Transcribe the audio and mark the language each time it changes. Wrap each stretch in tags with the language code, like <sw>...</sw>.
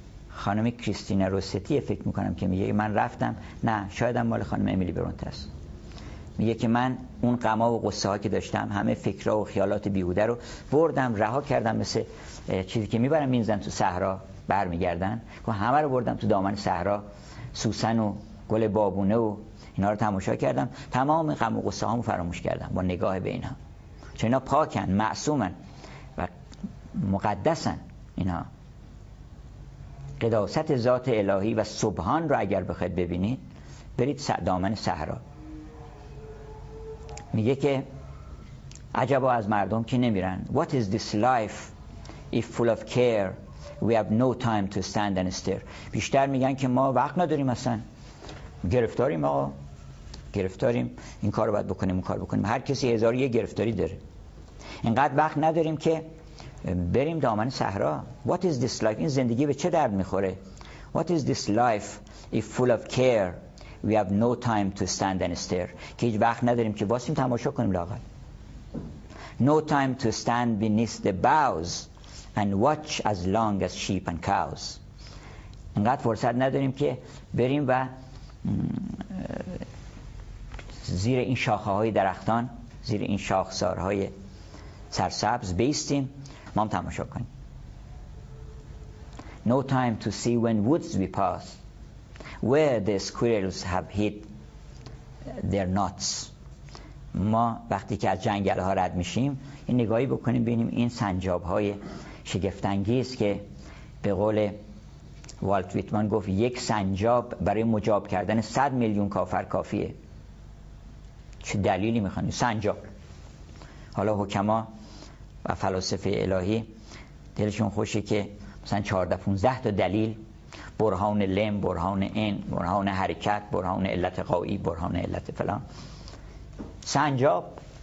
<fa>خانم کریستینا روستی فکر میکنم که میگه من رفتم، نه شاید هم مال خانم امیلی برونته است، میگه که من اون غما و قصه ها که داشتم، همه فکرها و خیالات بیهوده رو بردم رها کردم، مثل چیزی که میبرم میزنن تو صحرا برمیگردن، همه رو بردم تو دامن صحرا، سوسن و گل بابونه و اینا رو تماشا کردم، تمام غم و قصه هامو فراموش کردم با نگاه به اینا، چون اینا پاکن، معصومن و مقدسن. اینا قداست ذات الهی و سبحان رو اگر بخواید ببینید، برید دامن صحرا. میگه که عجبا از مردم که نمیرن.</fa> <en>What is this life if full of care we have no time to stand and stare.</en> <fa>بیشتر میگن که ما وقت نداریم، اصلا گرفتاریم، آقا گرفتاریم، این کار رو باید بکنیم، اون کار بکنیم، هر کسی هزار یه گرفتاری داره، اینقدر وقت نداریم که بریم دامن صحرا.</fa> <en>What is this life،</en> <fa>این زندگی به چه درد میخوره؟</fa> <en>What is this life if full of care we have no time to stand and stare.</en> <fa>که هیچ وقت نداریم که واسیم تماشا کنیم لاغل.</fa> <en>No time to stand beneath the boughs and watch as long as sheep and cows.</en> <fa>انقدر فرصت نداریم که بریم و زیر این شاخه های درختان، زیر این شاخسار های سرسبز بیستیم، ما هم تماشا کنیم.</fa> <en>No time to see when woods we pass, where the squirrels have hid their nuts.</en> <fa>ما وقتی که از جنگل ها رد میشیم، این نگاهی بکنیم ببینیم این سنجاب های شگفت‌انگیز که به قول والت ویتمن گفت یک سنجاب برای مجاب کردن 100 میلیون کافر کافیه. چه دلیلی میخوانی؟ سنجاب. حالا حکما و فلاسفه الهی دلشون خوشه که مثلا 14 15 تا دلیل، برهان لم، برهان این، برهان حرکت، برهان علت غایی، برهان علت فلان، سنجاب.</fa>